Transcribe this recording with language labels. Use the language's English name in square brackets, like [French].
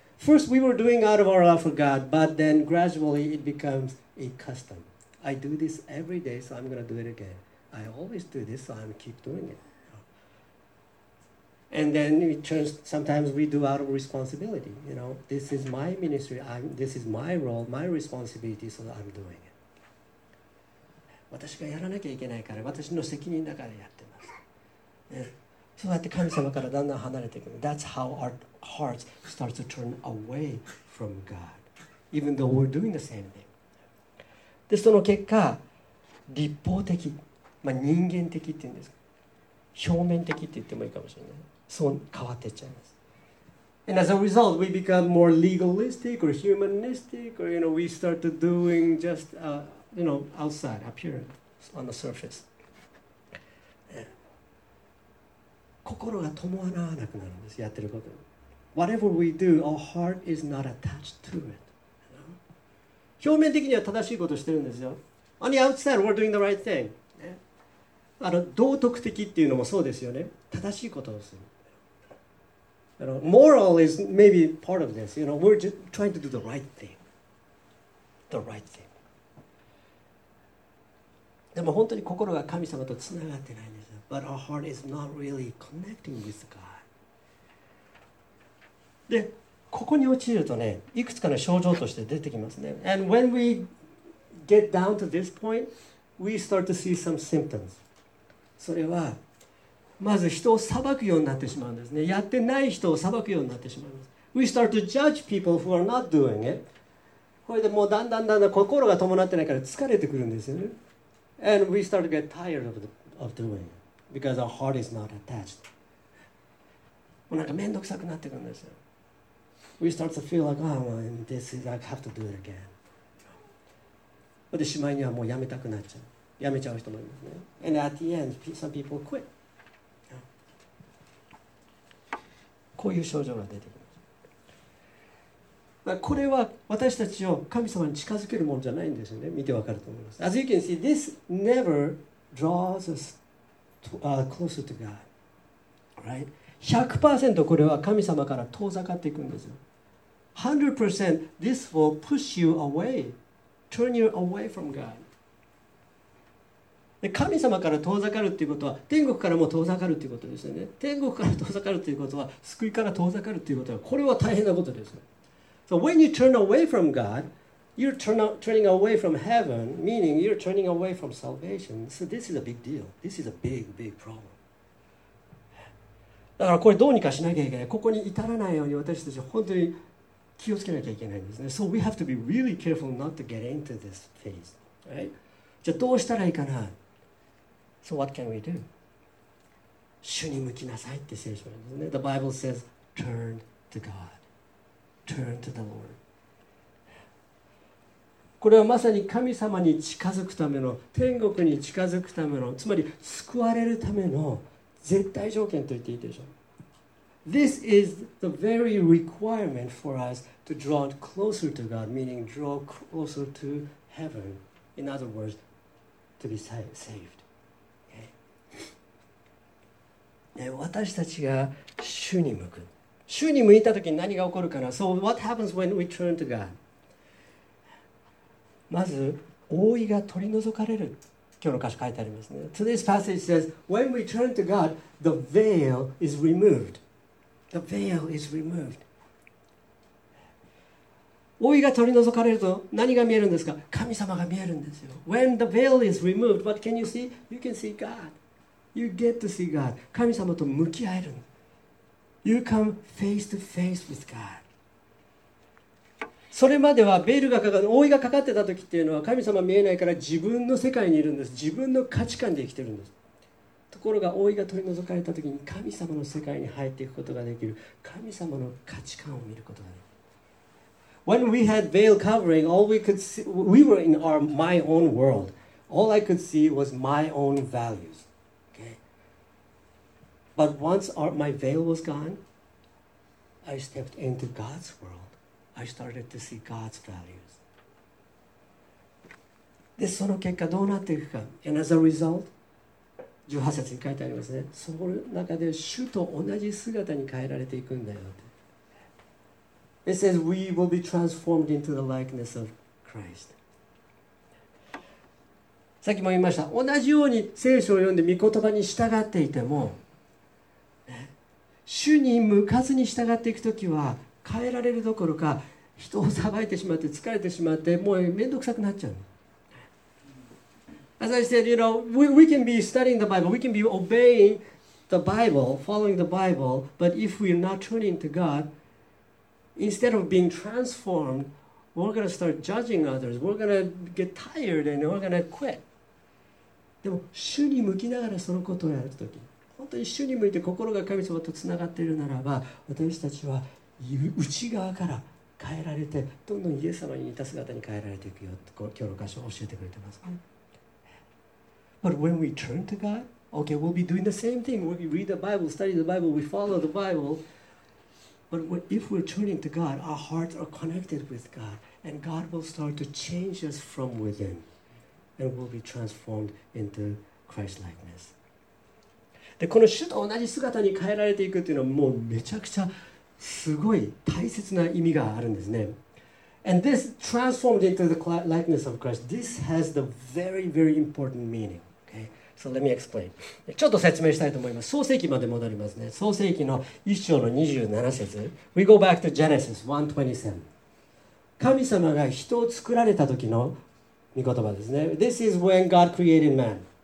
[English] First, we were doing out of our love for God, but then gradually it becomes a custom. I do this every day, so I'm going to do it again. I always do this, so I'm keep doing it. And then it turns, sometimes we do out of responsibility. You know, this is my ministry, this is my role, my responsibility, so I'm doing it. [Japanese] 私がやらなきゃいけないから、私の責任だからやってます。そうやって神様からだんだん離れていく。 [English] That's how our hearts start to turn away from God, even though we're doing the same thing. [Japanese] で、その結果、立法的、まあ、人間的っていうんですか。表面的って言ってもいいかもしれない。そう変わっていっちゃいます。 [English] And as a result, we become more legalistic or humanistic, or you know, we start to doing just, you know, outside, appearance on the surface. [Japanese] 心が伴わなくなるんです。やってること。 [English] Whatever we do, our heart is not attached to it. You know? [Japanese] 表面的には正しいことをしてるんですよ。 [English] On the outside, we're doing the right thing. [Japanese] あの道徳的っていうのもそうですよね。正しいことをする。 [English] あの moral is maybe part of this. You know, we're just trying to do the right thing. The right thing. [Japanese] でも本当に心が神様とつながってないんですよ。 [English] But our heart is not really connecting with God. [Japanese] で、ここに陥るとね、いくつかの症状として出てきますね。 [English] And when we get down to this point, we start to see some symptoms. [Japanese] それはまず人を裁くようになってしまうんですね。やってない人を裁くようになってしまいます。 [English] We start to judge people who are not doing it. [Japanese] これでもうだんだんだんだん心が伴ってないから疲れてくるんですよね。 [English] And we start to get tired of doing it because our heart is not attached. [Japanese] もうなんかめんどくさくなってくるんですよ。 [English] We start to feel like, oh, well, this is, I have to do it again. [Japanese] で、しまいにはもうやめたくなっちゃう。やめちゃう人もいますね。 [English] And at the end, some people quit. [Japanese] こういう症状が出てきます。まあ、これは私たちを神様に近づけるものじゃないんですよね。見てわかると思います。 [English] As you can see, this never draws us to, closer to God. Right? [Japanese] 100% これは神様から遠ざかっていくんですよ。 [English] 100% this will push you away, turn you away from God. [Japanese] で、神様から遠ざかるということは、天国からも遠ざかるということですよね。天国から遠ざかるということは、救いから遠ざかるということは、これは大変なことです。 [English] So when you turn away from God, you're turning away from heaven, meaning you're turning away from salvation. So this is a big deal. This is a big, big problem. [Japanese] だからこれどうにかしなきゃいけない。ここに至らないように私たちは本当に気をつけなきゃいけないんですね。 [English] So we have to be really careful not to get into this phase.、Right? [Japanese] じゃあどうしたらいいかな ? [English] So what can we do? [Japanese] 主に向きなさいって聖書なんですね。 [English] The Bible says, turn to God. Turn to the Lord. [Japanese] これはまさに神様に近づくための、天国に近づくための、つまり救われるための絶対条件と言っていいでしょう。 [English] This is the very requirement for us to draw closer to God, meaning draw closer to heaven. In other words, to be saved.、Okay. [Japanese] 私たちが主に向く。主に向いたときに何が起こるかな。 [English] So what happens when we turn to God? [Japanese] まず、覆いが取り除かれる。今日の歌詞書いてありますね。 [English] Today's passage says, When we turn to God, the veil is removed. The veil is removed. [Japanese] 覆いが取り除かれると何が見えるんですか？神様が見えるんですよ。 [English] When the veil is removed, what can you see? You can see God. You get to see God. [Japanese] 神様と向き合える。 [English] You come face to face with God. [Japanese] それまではベールがかかって、覆いがかかってた時っていうのは神様見えないから自分の世界にいるんです。自分の価値観で生きてるんです。ところが覆いが取り除かれた時に神様の世界に入っていくことができる。神様の価値観を見ることができる。 [English] When we had veil covering, all we could see, we were in our my own world. All I could see was my own values. Okay? But once my veil was gone, I stepped into God's world. I started to see God's values. [Japanese] で、その結果どうなっていくか。 [English] And as a result, [Japanese] 18節に書いてありますね。その中で主と同じ姿に変えられていくんだよって。 [English] It says, we will be transformed into the likeness of Christ. [Japanese] さっきも言いました。同じように聖書を読んで御言葉に従っていても、ね、主に向かずに従っていくときは、変えられるどころか人をさばいてしまって疲れてしまってもうめんどくさくなっちゃう。 [English] As I said, you know, we can be studying the Bible, we can be obeying the Bible, following the Bible, but if we're not turning to God, instead of being transformed, we're going to start judging others, we're going to get tired and we're going to quit. [Japanese] でも主に向きながらそのことをやるとき、本当に主に向いて心が神様とつながっているならば、私たちは内側から変えられて、どんどんイエス様に似た姿に変えられていくよって今日の箇所を教えてくれてます。 [English] But when we turn to God, okay, we'll be doing the same thing. We read the Bible, study the Bible, we follow the Bible. But if we're turning to God, our hearts are connected with God, and God will start to change us from within, and we'll be transformed into Christ-likeness. [Japanese] で、この主と同じ姿に変えられていくっていうのはもうめちゃくちゃすごい大切な意味があるんですね。 [English] And this transformed into the likeness of Christ, this has the very, very important meaning. Okay? So let me explain. [Japanese] ちょっと説明したいと思います。創世記まで戻りますね。創世記の1章の27節。 [English] We go back to Genesis 1:27. [Japanese] 神様が人を作られた時の御言葉ですね。 [English] This is when God created man.